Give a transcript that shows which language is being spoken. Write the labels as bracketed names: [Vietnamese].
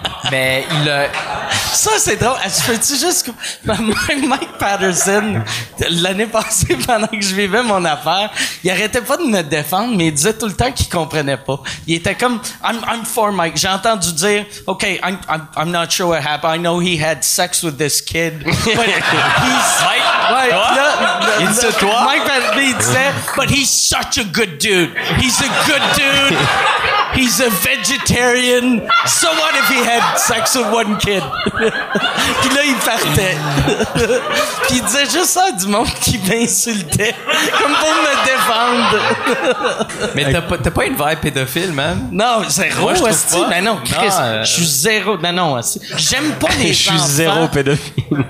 [French] Mais il a... Ça, c'est drôle. Je peux-tu juste... Mike Patterson, l'année passée, pendant que je vivais mon affaire, il arrêtait pas de me défendre, mais il disait tout le temps qu'il comprenait pas. Il était comme, [English] I'm for Mike. [French] J'ai entendu dire, [English] OK, I'm not sure what happened. I know he had sex with this kid. Mike? [French] Ouais, il dit toi? [English] Mike Patterson, but he's such a good dude. He's a good dude. He's a vegetarian. So what if he had sex with one kid? [French] Puis là, il partait. Puis il disait juste ça à du monde qui m'insultait. Comme pour me défendre. Mais t'as pas une vibe pédophile, man? Non, zéro. Moi, Chris, je suis zéro. Ben non, j'aime pas les gens. Je suis zéro pédophile.